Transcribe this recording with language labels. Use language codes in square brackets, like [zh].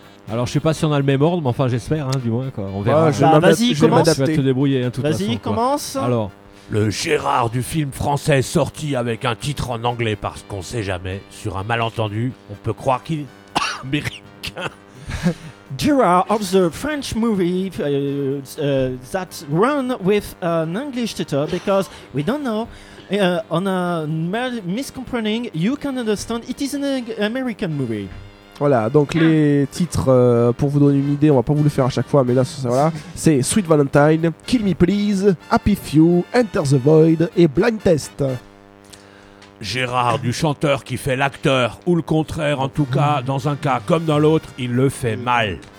[fr] Alors, je sais pas si on a le même ordre, mais enfin, j'espère, hein, du moins. Quoi. On verra. Ouais, je vais te débrouiller, hein, toute vas-y, façon. Vas-y, commence. Alors, le Gérard du film français sorti avec un titre en anglais, parce qu'on sait jamais, sur un malentendu, on peut croire qu'il est américain. [en] Gérard of the French movie that run with an English title because we don't know on a miscomprehending you can understand it is an American movie. [fr] Voilà, donc les titres pour vous donner une idée, on va pas vous le faire à chaque fois, mais là voilà, c'est Sweet Valentine, Kill Me Please, Happy Few, Enter the Void et Blind Test. Gérard, du chanteur qui fait l'acteur, ou le contraire, en tout cas, dans un cas comme dans l'autre, il le fait mal.